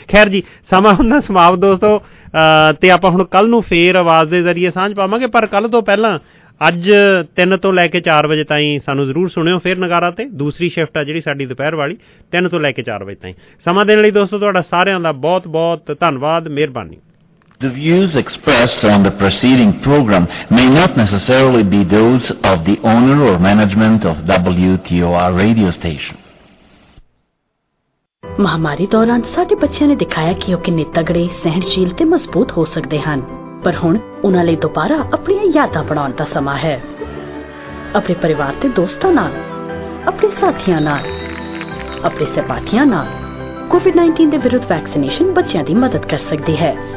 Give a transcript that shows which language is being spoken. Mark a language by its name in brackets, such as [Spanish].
[Punjabi] ਖੈਰ ਜੀ, ਸਮਾਂ ਹੁੰਦਾ ਸਮਾਪਤ ਦੋਸਤੋ, ਤੇ ਆਪਾਂ ਹੁਣ ਕੱਲ੍ਹ ਨੂੰ ਫੇਰ ਆਵਾਜ਼ ਦੇ ਜ਼ਰੀਏ ਸਾਂਝ ਪਾਵਾਂਗੇ, ਪਰ ਕੱਲ੍ਹ ਤੋਂ ਪਹਿਲਾਂ ਅੱਜ 3 ਤੋਂ ਲੈ ਕੇ 4 ਵਜੇ ਤਾਈਂ ਸਾਨੂੰ ਜ਼ਰੂਰ ਸੁਣਿਓ ਫਿਰ ਨਗਾਰਾ, ਤੇ ਦੂਸਰੀ ਸ਼ਿਫਟ ਆ ਜਿਹੜੀ ਸਾਡੀ ਦੁਪਹਿਰ ਵਾਲੀ 3 ਤੋਂ ਲੈ ਕੇ 4 ਵਜੇ ਤਾਈਂ। ਸਮਾਂ ਦੇਣ ਲਈ ਦੋਸਤੋ ਤੁਹਾਡਾ ਸਾਰਿਆਂ ਦਾ ਬਹੁਤ ਬਹੁਤ ਧੰਨਵਾਦ, ਮਿਹਰਬਾਨੀ। [English] The views expressed on the preceding program may not necessarily be those of the owner or management of WTOR radio station. [Punjabi] ਮਹਾਮਾਰੀ ਦੌਰਾਨ ਸਾਡੇ ਬੱਚਿਆਂ ਨੇ ਦਿਖਾਇਆ ਕਿ ਉਹ ਕਿੰਨੇ ਤਗੜੇ, ਸਹਿਣਸ਼ੀਲ ਤੇ ਮਜ਼ਬੂਤ ਹੋ ਸਕਦੇ ਹਨ, ਪਰ ਹੁਣ ਉਨ੍ਹਾਂ ਲਈ ਦੁਬਾਰਾ ਆਪਣੀਆਂ ਯਾਦਾਂ ਬਣਾਉਣ ਦਾ ਸਮਾਂ ਹੈ। ਆਪਣੇ ਪਰਿਵਾਰ ਤੇ ਦੋਸਤਾਂ ਨਾਲ, ਆਪਣੇ ਸਾਥੀਆਂ ਨਾਲ, ਆਪਣੇ ਸਹਿਪਾਠੀਆਂ ਨਾਲ COVID-19 ਦੇ ਵਿਰੁੱਧ ਵੈਕਸੀਨੇਸ਼ਨ ਬੱਚਿਆਂ ਦੀ ਮਦਦ ਕਰ ਸਕਦੀ ਹੈ।